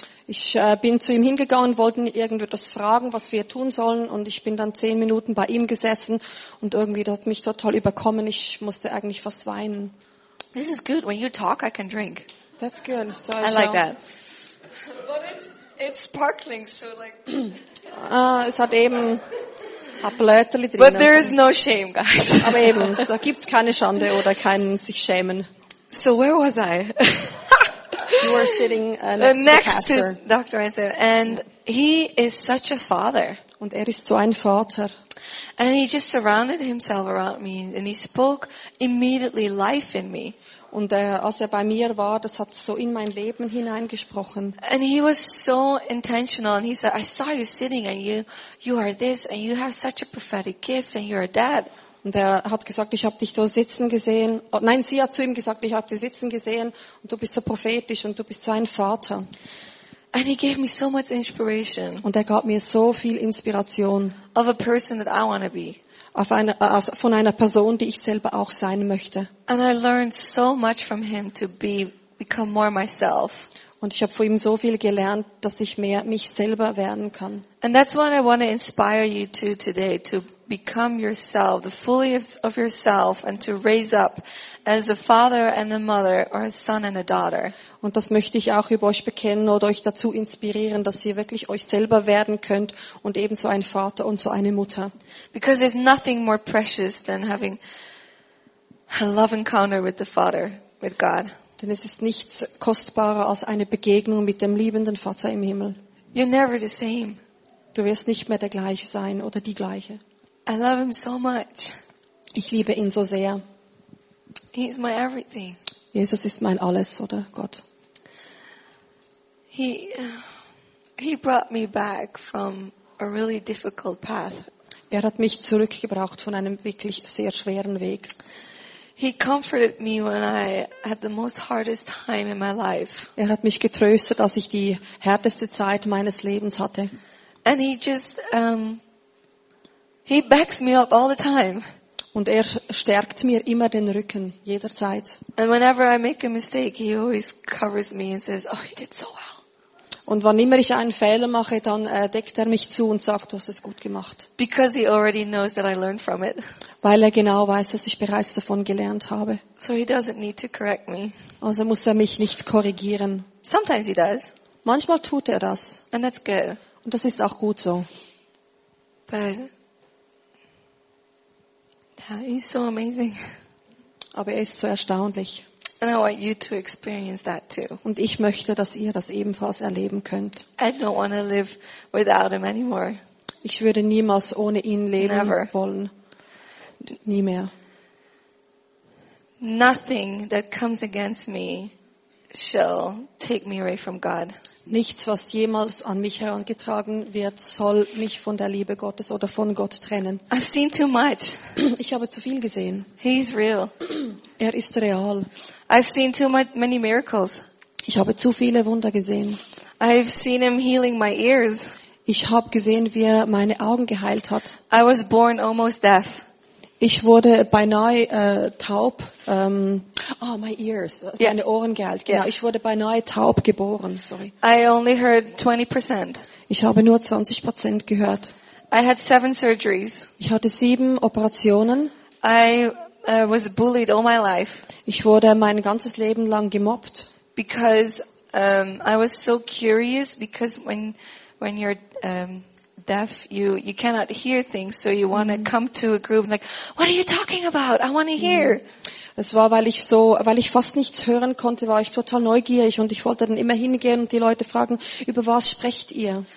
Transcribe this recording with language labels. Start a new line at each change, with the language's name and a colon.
German: Ich bin zu ihm hingegangen, wollte ihn irgendetwas fragen, was wir tun sollen, und ich bin dann 10 Minuten bei ihm gesessen und irgendwie hat mich total überkommen. Ich musste eigentlich fast weinen.
English: This is good. When you talk, I can drink. That's good. So I like that. But it's sparkling, so like.
German: Es hat eben ein Blöterli drin.
English: But there is no shame, guys.
German: Aber eben, da gibt's keine Schande oder kein sich schämen.
English: So where was I? You are sitting next to Dr. Isaac, and he is such a father.
German: Und er ist so ein Vater.
English: And he just surrounded himself around me, and he spoke immediately life in me.
German: Und als er bei mir war, das hat so in mein Leben hineingesprochen.
English: And he was so intentional, and he said, "I saw you sitting, and you are this, and you have such a prophetic gift, and you're a dad."
German: Und er hat gesagt, ich habe dich da sitzen gesehen. Nein, sie hat zu ihm gesagt, ich habe dich sitzen gesehen und du bist so prophetisch und du bist so ein Vater.
English: And he gave me so much inspiration.
German: Und er gab mir so viel Inspiration.
English: Of a person that I want to be.
German: Auf eine, von einer Person, die ich selber auch sein möchte.
English: And I learned so much from him to be, become more myself.
German: Und ich habe von ihm so viel gelernt, dass ich mehr mich selber werden kann.
English: And that's what I want to inspire you to today, to become yourself, the fullest of yourself, and to raise up as a father and a mother, or a son and a daughter.
German: Und das möchte ich auch über euch bekennen oder euch dazu inspirieren, dass ihr wirklich euch selber werden könnt und ebenso ein Vater und so eine Mutter.
English: Because there's nothing more precious than having a love encounter with the Father, with God.
German: Denn es ist nichts kostbarer als eine Begegnung mit dem liebenden Vater im Himmel.
English: You're never the same.
German: Du wirst nicht mehr der gleiche sein oder die gleiche.
English: I love him so much.
German: Ich liebe ihn so sehr.
English: He is my everything.
German: Jesus ist mein alles, oder Gott?
English: He brought me back from a really difficult path.
German: Er hat mich zurückgebracht von einem wirklich sehr schweren Weg.
English: He comforted me when I had the most hardest time in my life.
German: Er hat mich getröstet, als ich die härteste Zeit meines Lebens hatte.
English: And he just he backs me up all the time.
German: Und er stärkt mir immer den Rücken, jederzeit.
English: And whenever I make a mistake, he always covers me and says, "Oh, you did so well."
German: Und wann immer ich einen Fehler mache, dann deckt er mich zu und sagt, du hast es gut gemacht.
English: Because he already knows that I learned from it.
German: Weil er genau weiß, dass ich bereits davon gelernt habe.
English: So he doesn't need to correct me.
German: Also muss er mich nicht korrigieren.
English: Sometimes he does.
German: Manchmal tut er das.
English: And that's good.
German: Und das ist auch gut so.
English: But yeah, he's so amazing.
German: Aber er ist so erstaunlich.
English: And I want you to experience that too.
German: Und ich möchte, dass ihr das ebenfalls erleben könnt.
English: I don't want to live without him anymore.
German: Ich würde niemals ohne ihn leben
English: Never.
German: Wollen. Nie mehr.
English: Nothing that comes against me shall take me away from God.
German: Nichts, was jemals an mich herangetragen wird, soll mich von der Liebe Gottes oder von Gott trennen.
English: I've seen too much.
German: Ich habe zu viel gesehen.
English: He's real.
German: Er ist real.
English: I've seen too many miracles.
German: Ich habe zu viele Wunder gesehen.
English: I've seen him healing my ears.
German: Ich habe gesehen, wie er meine Augen geheilt hat.
English: I was born almost deaf.
German: Ich wurde beinahe taub.
English: Oh, my ears. Yeah.
German: Meine Ohren geheilt. Genau. Yeah. Ich wurde beinahe taub geboren.
English: Sorry. I only heard 20%.
German: Ich habe nur 20% gehört.
English: I had 7 surgeries.
German: Ich hatte 7 Operationen.
English: I was bullied all my life.
German: Ich wurde mein ganzes Leben lang gemobbt.
English: Because I was so curious. Because when you're deaf, you cannot hear things, so you want to come to a group and like, what are you talking about? I want to hear.
German: Es war, weil ich fast nichts hören konnte, war ich total neugierig und ich wollte dann immer hingehen und die Leute fragen, über was sprecht ihr?